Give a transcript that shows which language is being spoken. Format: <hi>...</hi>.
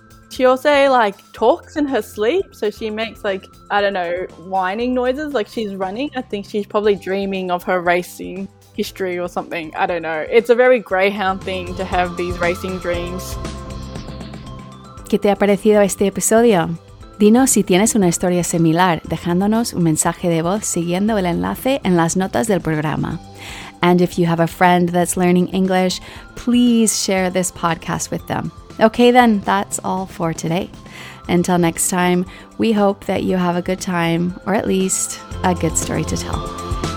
<en>She also, like, talks in her sleep, so she makes, like, I don't know, whining noises, like she's running. I think she's probably dreaming of her racing history or something. I don't know. It's a very greyhound thing to have these racing dreams.</en> <es>¿Qué te ha parecido este episodio? Dinos si tienes una historia similar, dejándonos un mensaje de voz siguiendo el enlace en las notas del programa.</es> <en>And if you have a friend that's learning English, please share this podcast with them. Okay then, that's all for today. Until next time, we hope that you have a good time, or at least a good story to tell.</en>